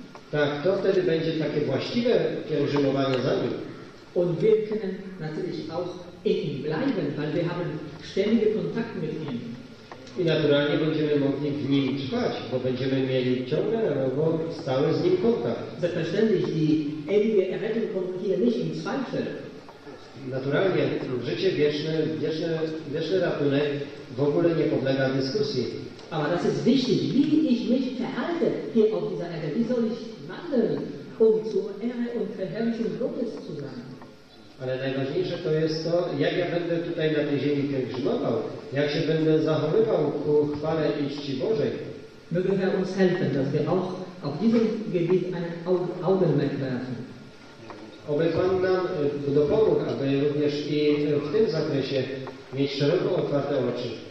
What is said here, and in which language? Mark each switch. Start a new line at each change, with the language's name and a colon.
Polish: Tak, to wtedy będzie takie właściwe pielgrzymowanie za Nim.
German: Und wir können natürlich auch in ihm bleiben, weil wir haben ständige Kontakt mit ihm.
Polish: I naturalnie będziemy mogli w nim trwać, bo będziemy mieli ciągle albo stały z nim kontakt.
German: Selbstverständlich, die ewige Errettung kommt hier nicht in Zweifel.
Polish: Naturalnie, życie wieczne, wieczny ratunek w ogóle nie podlega dyskusji.
German: Aber das ist wichtig, wie ich mich verhalte hier auf dieser Erde. Wie soll ich wandeln, um zur Ehre und Verherrlichung Gottes zu sein?
Polish: Ale najważniejsze to jest to, jak ja będę tutaj na tej ziemi pielgrzymował, jak się będę zachowywał ku chwale i czci Bożej.
German: Möge Herr uns helfen, dass wir auch auf diesem Gebiet ein Augenmerk werfen.
Polish: Oby Pan nam dopomógł, aby również i w tym zakresie mieć szeroko otwarte oczy.